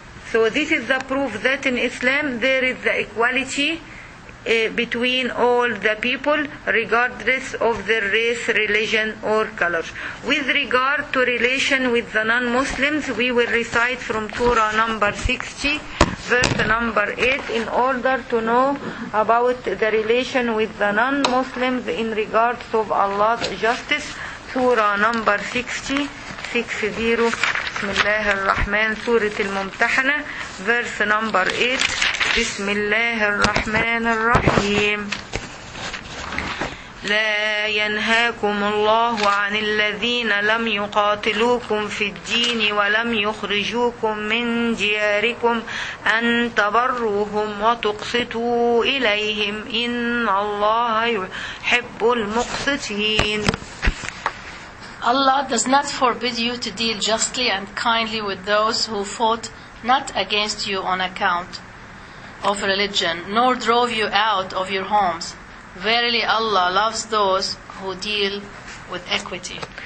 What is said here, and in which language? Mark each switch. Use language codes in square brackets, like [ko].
[en] So this is the proof that in Islam there is the equality between all the people regardless of their race, religion or color. With regard to relation with the non-Muslims, we will recite from Surah number 60, verse number 8, in order to know about the relation with the non-Muslims in regards of Allah's justice. Surah number 60, [ar] بسم الله الرحمن سورة الممتحنة [en] verse number 8. [ar] بسم الله الرحمن الرحيم. لا ينهاكم الله عن الذين لم يقاتلوكم في الدين ولم يخرجوكم من دياركم أن تبروهم وتقسطوا إليهم إن الله يحب المقسطين. [en] Allah does not forbid you to deal justly and kindly with those who fought not against you on account of religion, nor drove you out of your homes. Verily Allah loves those who deal with equity.